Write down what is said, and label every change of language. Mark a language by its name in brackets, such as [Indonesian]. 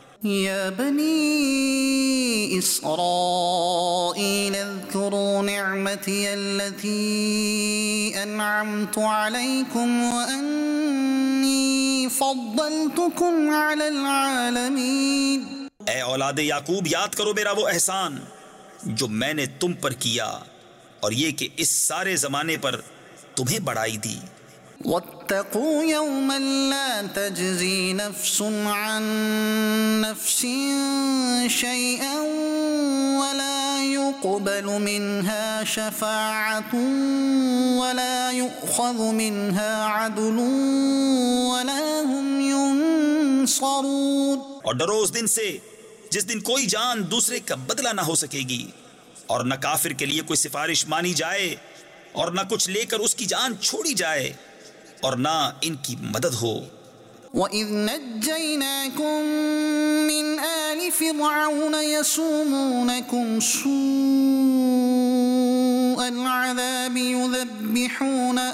[Arabic] یا بنی اسرائیل اذکروا نعمتی التي انعمت علیکم وانی فضلتکم علی العالمین. [Urdu] اے اولاد یعقوب، یاد کرو میرا وہ احسان جو میں نے تم پر کیا، اور یہ کہ اس سارے زمانے پر تمہیں بڑائی دی. [Arabic] واتقوا يوما لا تجزي نفس عن نفس شيئا ولا يقبل منها شفاعة ولا يؤخذ منها عدل ولا هم ينصرون. تنصرون [Urdu] اور ڈرو اس دن سے جس دن کوئی جان دوسرے کا بدلہ نہ ہو سکے گی اور نہ کافر کے لیے کوئی سفارش مانی جائے اور نہ کچھ لے کر اس کی جان چھوڑی جائے اور نہ ان کی مدد ہو۔ [Arabic] وَإِذْ نَجَّيْنَاكُمْ مِنْ آلِ فِرْعَوْنَ يَسُومُونَكُمْ سُوءَ الْعَذَابِ يُذَبِّحُونَ